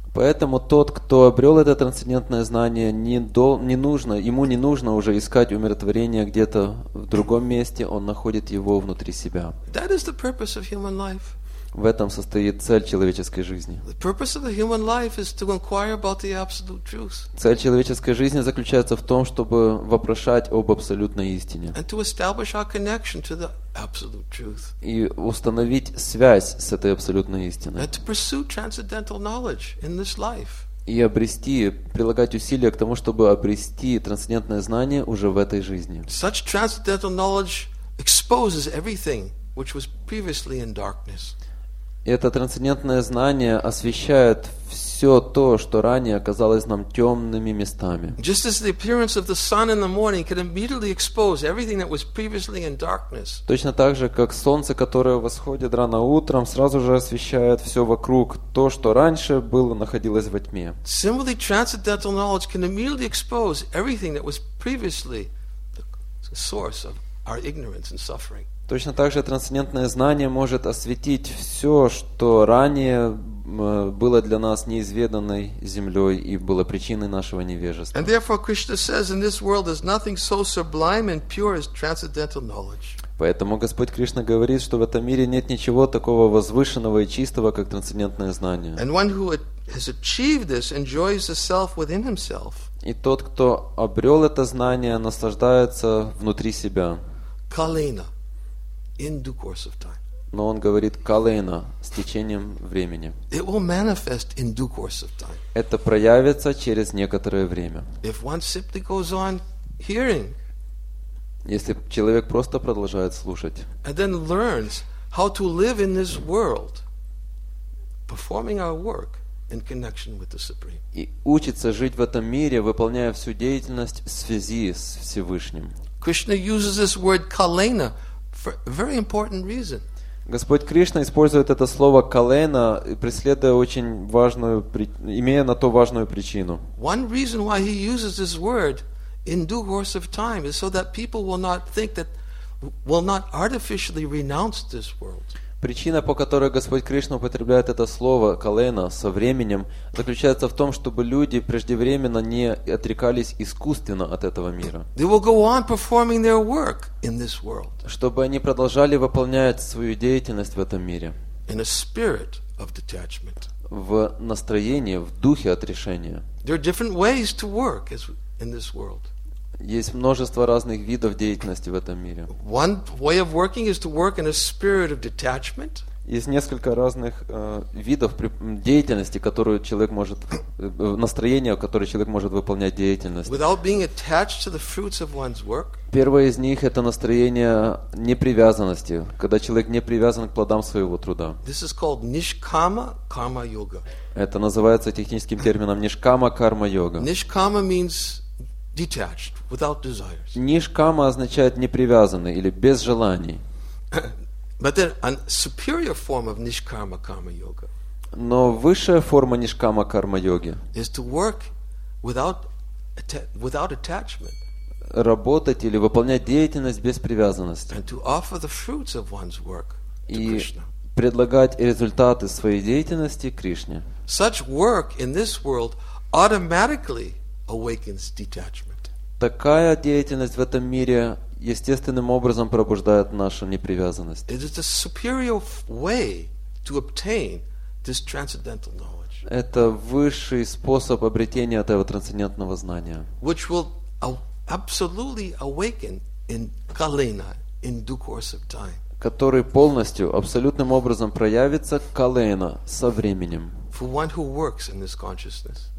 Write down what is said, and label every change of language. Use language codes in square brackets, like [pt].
[ru] Поэтому тот, кто обрел это трансцендентное знание, ему не нужно уже искать умиротворение где-то в другом месте, он находит его внутри себя. [en] That is the purpose of human life. [ru] В этом состоит цель человеческой жизни. [en] The purpose of the human life is to inquire about the absolute truth. [ru] Цель человеческой жизни заключается в том, чтобы вопрошать об абсолютной истине. [en] And to establish our connection to the absolute truth. [ru] И установить связь с этой абсолютной истиной. [en] And to pursue transcendental knowledge in this life. [ru] И обрести, прилагать усилия к тому, чтобы обрести трансцендентное знание уже в этой жизни. [en] Such transcendental knowledge exposes everything which was previously in darkness. [ru] Это трансцендентное знание освещает все то, что ранее казалось нам темными местами. [en] Just as the appearance of the sun in the morning can immediately expose everything that was previously in darkness. [ru] Точно так же, как солнце, которое восходит рано утром, сразу же освещает все вокруг то, что раньше было находилось во тьме. [en] Similarly, transcendental knowledge can immediately expose everything that was previously the source of our ignorance and suffering. [ru] Точно так же трансцендентное знание может осветить все, что ранее было для нас неизведанной землей и было причиной нашего невежества. [en] And therefore Krishna says, in this world there's nothing so sublime and pure as transcendental knowledge. [ru] Поэтому Господь Кришна говорит, что в этом мире нет ничего такого возвышенного и чистого, как трансцендентное знание. [en] And one who has achieved this enjoys the self within himself. [ru] И тот, кто обрел это знание, наслаждается внутри себя. [en] Kalina. In due course of time. [ru] Но он говорит калейна, с течением времени. [en] It will manifest in due course of time. [ru] Это проявится через некоторое время. [en] If one simply goes on hearing, [ru] если человек просто продолжает слушать, [en] and then learns how to live in this world, performing our work in connection with the Supreme. [ru] И учится жить в этом мире, выполняя всю деятельность в связи с Всевышним. [en] Krishna uses this word kalena. For a very important reason. [ru] Господь Кришна использует это слово калена, преследуя очень важную, имея на то важную причину. [en] One reason why he uses this word in due course of time is so that people will not think that will not artificially renounce this world. [ru] Причина, по которой Господь Кришна употребляет это слово калена со временем, заключается в том, чтобы люди преждевременно не отрекались искусственно от этого мира. [en] They will go on performing their work in this world. [ru] Чтобы они продолжали выполнять свою деятельность в этом мире. [en] In a spirit of detachment. [ru] В настроении, в духе отрешения. [en] There are different ways to work in this world. [ru] Есть множество разных видов деятельности в этом мире. [en] One way of working is to work in a spirit of detachment. [ru] Есть несколько разных видов деятельности, которую человек может настроение, которое человек может выполнять деятельность. [en] Without being attached to the fruits of one's work. [ru] Первое из них это настроение непривязанности, когда человек не привязан к плодам своего труда. [en] This is called nishkama karma yoga. [ru] Это называется техническим термином нишкама карма йога. [en] Nishkama means detached, without desires. [ru] Нишкама означает непривязанный или без желаний. [en] But then a superior form of nishkama karma yoga. [ru] Но высшая форма нишкама карма йоги. [en] Is to work without attachment. [ru] Работать или выполнять деятельность без привязанности. [en] And to offer the fruits of one's work to Krishna. [ru] И предлагать результаты своей деятельности Кришне. [en] Such work in this world automatically awakens detachment. [ru] Такая деятельность в этом мире естественным образом пробуждает нашу непривязанность. [en] It is a superior way to obtain this transcendental knowledge. [ru] Это высший способ обретения этого трансцендентного знания. [en] Which will absolutely awaken in Kalena in due course of time. [ru] Который полностью, абсолютным образом проявится Калена со временем. [en] For one who works in this consciousness.